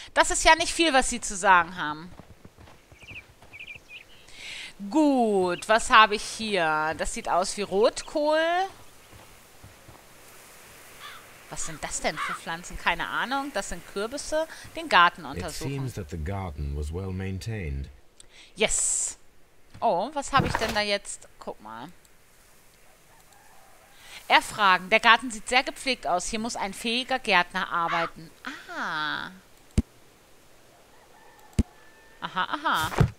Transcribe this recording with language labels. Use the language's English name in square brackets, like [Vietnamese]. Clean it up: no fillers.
[German] Das ist ja nicht viel, was Sie zu sagen haben. Gut, was habe ich hier? Das sieht aus wie Rotkohl. Was sind das denn für Pflanzen? Keine Ahnung. Das sind Kürbisse. Den Garten untersuchen. [English] It seems that the garden was well maintained. Yes. [German] Oh, was habe ich denn da jetzt? Guck mal. Erfragen. Der Garten sieht sehr gepflegt aus. Hier muss ein fähiger Gärtner arbeiten. Aha. Aha, aha.